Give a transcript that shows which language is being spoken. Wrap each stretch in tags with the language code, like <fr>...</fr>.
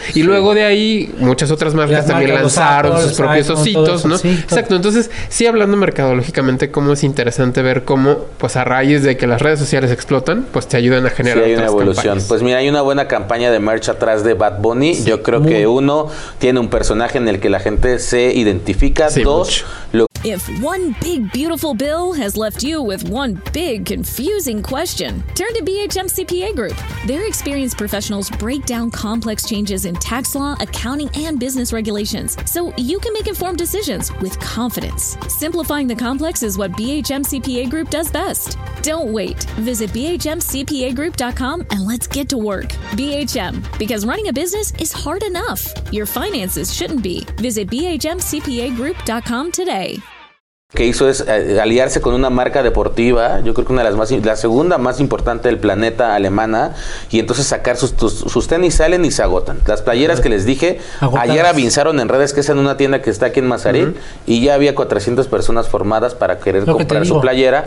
<es>Y sí, luego de ahí, muchas otras marcas también lanzaron sus propios ositos, ¿no? Exacto. Entonces, sí, hablando mercadológicamente, cómo es interesante ver cómo, pues a raíz de que las redes sociales explotan, pues te ayudan a generar sí, hay una evolución. Campañas. Pues mira, hay una buena campaña de merch atrás de Bad Bunny. Sí, yo creo que uno, tiene un personaje en el que la gente se identifica. Sí, dos, lo que...</es> <en>If one big beautiful bill has left you with one big confusing question, turn to BHM CPA Group. Their experienced professionals break down complex changes in tax law, accounting, and business regulations so you can make informed decisions with confidence. Simplifying the complex is what BHM CPA Group does best. Don't wait. Visit bhmcpagroup.com and let's get to work. BHM, because running a business is hard enough. Your finances shouldn't be. Visit bhmcpagroup.com today.</en> <es>Que hizo es aliarse con una marca deportiva, yo creo que una de las más, la segunda más importante del planeta alemana, y entonces sacar sus tenis, salen y se agotan. Las playeras que les dije, agotadas. Ayer avisaron en redes que es en una tienda que está aquí en Mazarín, y ya había 400 personas formadas para querer lo comprar que su playera.</es>